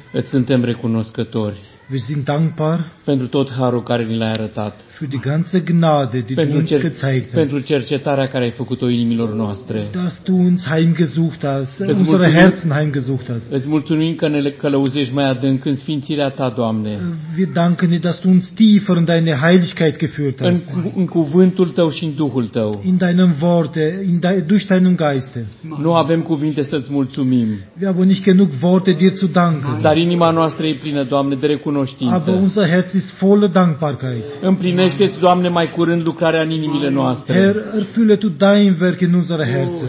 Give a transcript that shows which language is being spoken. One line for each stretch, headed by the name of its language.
Romanian: îți suntem recunoscători.
German: Wir sind dankbar
Romanian: pentru tot harul care ni l-ai arătat.
German: Für die ganze Gnade, die pentru du uns gezeigt hast.
Romanian: Pentru cercetarea care ai făcut-o inimilor noastre.
German: Dass du uns heimgesucht hast, unsere Herzen heimgesucht hast.
Romanian: Îți mulțumim că ne călăuzești mai adânc în sfințirea ta, Doamne.
German: Wir danken dir, dass du uns tiefer in deine Heiligkeit geführt hast.
Romanian: În cuvântul tău și în Duhul tău.
German: In deinen Worte, in durch deinen Geist.
Romanian: Nu avem cuvinte să-ți mulțumim.
German: Wir haben nicht genug Worte dir zu danken.
Romanian: Dar inima noastră e plină, Doamne, de recunoaștere.
German: Aber unser Herz ist voller Dankbarkeit.
Romanian: Împlinește-ți, Doamne, mai curând lucrarea în inimile noastre.
German: Herr, erfülle tu dein Werk in unsere Herzen.